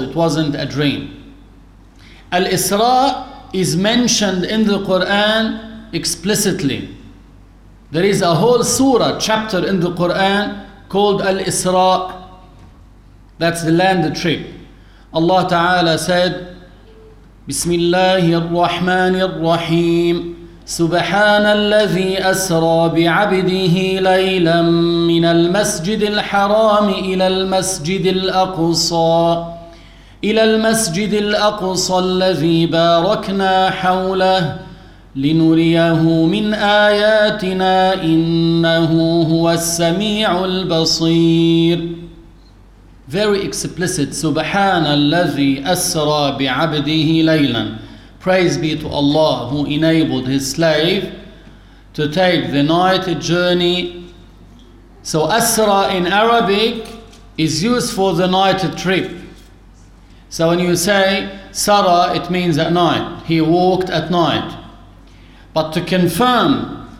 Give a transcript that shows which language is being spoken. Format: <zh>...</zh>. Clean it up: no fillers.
<en>It wasn't a dream. Al-Isra is mentioned in the Quran explicitly. There is a whole surah, chapter in the Quran called Al-Isra. That's the land trip. Allah Ta'ala said, Bismillahir Rahmanir Rahim.</en> <ar>سبحان الذي أسرى بعبده ليلا من المسجد الحرام إلى المسجد الأقصى إلى المسجد الأقصى الذي باركنا حوله لنريه من آياتنا إنه هو السميع البصير.</ar> <en>Very explicit.</en> <ar>سبحان الذي أسرى بعبده ليلا.</ar> <en>Praise be to Allah who enabled his slave to take the night journey. So Asra in Arabic is used for the night trip. So when you say Sara, it means at night. He walked at night. But to confirm</en>